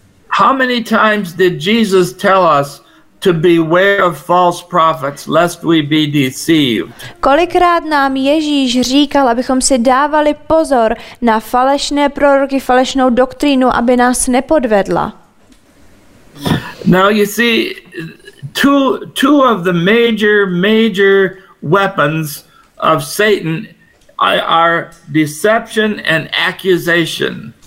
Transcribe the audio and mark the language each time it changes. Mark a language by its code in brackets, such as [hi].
[en] How many times did Jesus tell us to beware of false prophets, lest we be deceived? [cs] Kolikrát nám Ježíš říkal, abychom si dávali pozor na falešné proroky, falešnou doktrínu, aby nás nepodvedla? [en] Now you see, two of the major weapons of Satan are deception and accusation.